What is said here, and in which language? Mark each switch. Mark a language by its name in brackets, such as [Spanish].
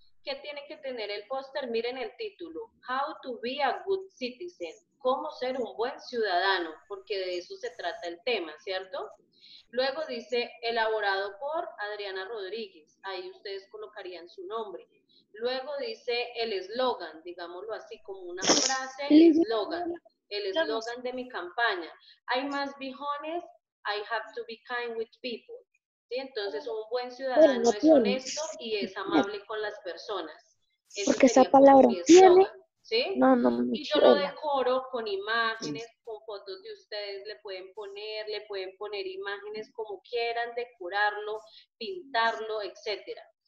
[Spanish] ¿Qué tiene que tener el póster? Miren el título, [English] How to be a good citizen, [Spanish] cómo ser un buen ciudadano, porque de eso se trata el tema, ¿cierto? Luego dice, elaborado por Adriana Rodríguez, ahí ustedes colocarían su nombre. Luego dice el eslogan, digámoslo así como una frase, el eslogan de mi campaña. [English] I must be honest, I have to be kind with people. [Spanish] ¿Sí? Entonces, un buen ciudadano es honesto y es amable con las personas. Eso porque esa palabra tiene. ¿Sí? No, y yo lo decoro con imágenes, con fotos de ustedes, le pueden poner imágenes como quieran, decorarlo, pintarlo, etcétera.